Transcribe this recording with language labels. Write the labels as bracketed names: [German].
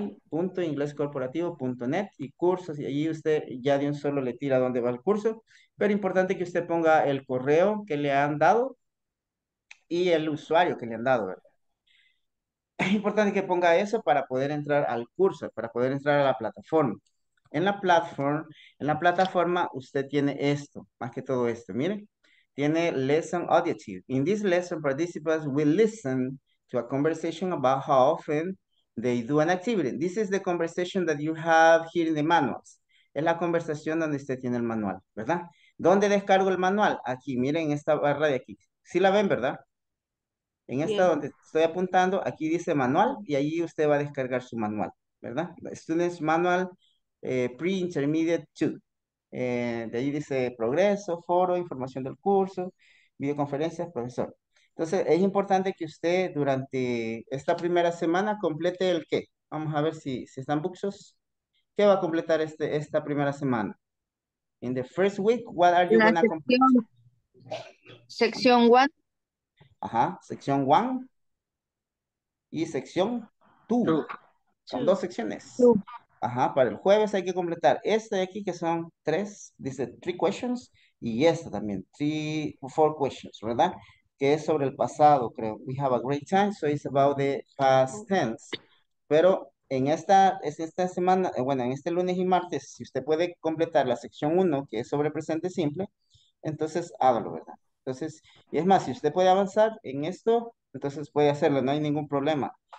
[Spanish] online.englishcorporativo.net y cursos, y allí usted ya de un solo le tira dónde va el curso, pero importante que usted ponga el correo que le han dado y el usuario que le han dado, ¿verdad? Es importante que ponga eso para poder entrar al curso, para poder entrar a la plataforma. En la plataforma usted tiene esto, más que todo esto, miren. Tiene lesson auditive. [English] In this lesson, participants will listen to a conversation about how often they do an activity. This is the conversation that you have here in the manuals. [Spanish] Es la conversación donde usted tiene el manual, ¿verdad? ¿Dónde descargo el manual? Aquí, miren esta barra de aquí. ¿Sí la ven, verdad? En esta Bien. Donde estoy apuntando, aquí dice manual y ahí usted va a descargar su manual, ¿verdad? [English] Students manual pre-intermediate 2. [Spanish] De ahí dice progreso, foro, información del curso, videoconferencias, profesor. Entonces, es importante que usted durante esta primera semana complete el qué. Vamos a ver si están buxos. ¿Qué va a completar esta primera semana? [English] In the first week, what are you going to complete? [Spanish] Sección 1. Ajá, sección 1 y sección 2. Son dos secciones. Ajá, para el jueves hay que completar esta de aquí que son tres, dice [English] three questions, [Spanish] y esta también, [English] four questions, [Spanish] ¿verdad? Que es sobre el pasado, creo. [English] We have a great time, so it's about the past tense. [Spanish] Pero en esta semana, bueno, en este lunes y martes, si usted puede completar la sección 1, que es sobre presente simple, entonces hágalo, ¿verdad? Entonces, y es más, si usted puede avanzar en esto, entonces puede hacerlo, no hay ningún problema.